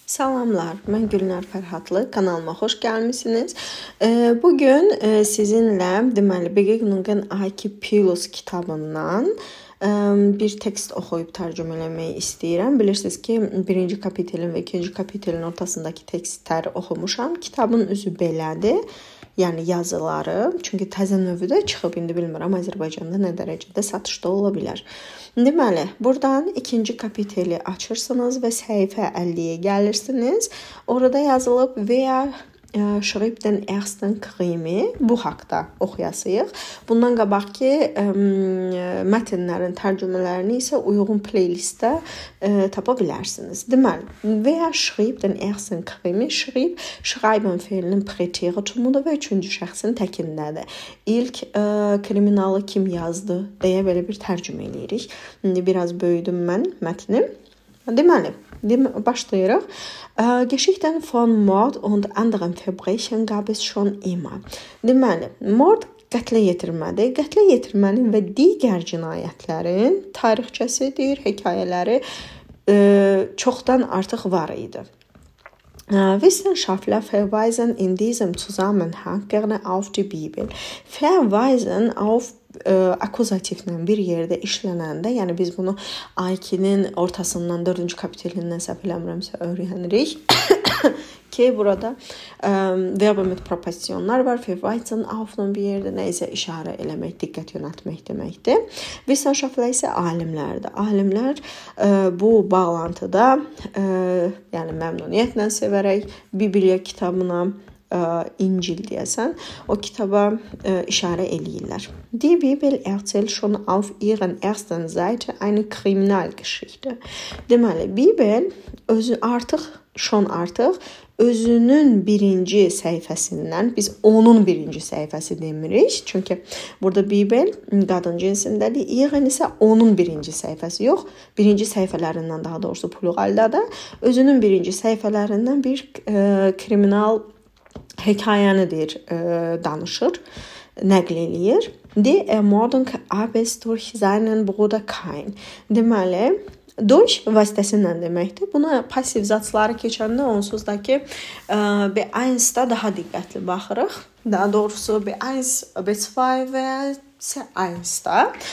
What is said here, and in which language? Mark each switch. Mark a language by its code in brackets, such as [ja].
[az] Salamlar, ben Gülnar Fərhadlı, kanalıma hoş gelmişsiniz. Bugün sizinle deməli, Begegnungen Aki Pilus kitabından bir tekst oxuyub tərcüm eləmək istəyirəm. Bilirsiniz ki, birinci kapitelin ve ikinci kapitelin ortasındaki tekstleri oxumuşam. Kitabın özü belədir, yəni yazıları. Çünki təzə növü də çıxıb, indi bilmirəm Azərbaycanda nə dərəcədə satışda ola bilər. Deməli, buradan ikinci kapiteli açırsınız və səhifə 50-yə gəlirsiniz. Orada yazılıb [de] Wer schrieb den ersten Krimi, [az] bu haqda oxuyasıyıq. Bundan qabaq ki, mətnlərin tərcümələrini isə uyğun playlistdə tapa bilərsiniz. Deməli, [de] Wer schrieb den ersten Krimi, [az] schreiben fiilinin preteritumudur və üçüncü şəxsin təkinindədir. İlk kriminalı kim yazdı deyə belə bir tərcümə eləyirik. İndi biraz böyüdüm mən mətni. Deməli, başlayırıq. [de] Geschichten von Mord und anderen Verbrechen gab es schon immer. [az] Deməli, mord qətlə yetirmədir. Qətlə yetirmənin və digər cinayətlərin tarixçəsi deyir, hekayələri çoxdan artıq var idi. [de] Wissenschaftler verweisen in diesem Zusammenhang gerne auf die Bibel. [az] Verweisen auf akkusativlen bir yerde işlenende, yani biz bunu Aiki'nin ortasından, 4. kapitelinden səhv eləmirəmsə öyrənirik ki, burada verb mit prepositionlar var. Verweisen auf'un bir yerde neyse işare eləmək, diqqət yönətmək deməkdir. Wissenschaftler isə alimlerdir. Alimler bu bağlantıda yani məmnuniyyətlə sevərək Bibliya kitabına, İncil deyəsən, o kitaba işarə eləyirlər. [de] Die Bibel erzählt schon auf ihren ersten Seite eine Kriminalgeschichte. [az] Deməli, Bibel özü artıq, schon artıq özünün birinci səhifəsindən, biz onun birinci səhifəsi demirik, çünki burada Bibel qadın cinsindədir, ihren isə onun birinci səhifəsi yox, birinci səhifələrindən, daha doğrusu pluraldadır, özünün birinci səhifələrindən bir kriminal hekayənidir, danışır, nəql eləyir. [de] Die Ermordung Abels durch seinen Bruder Kain. [az] Deməli, durch vasitəsində deməkdir. Buna passiv zatları keçəndə onsuz da ki, B1-da daha diqqətli baxırıq. Daha doğrusu B1, B2 və C1-da.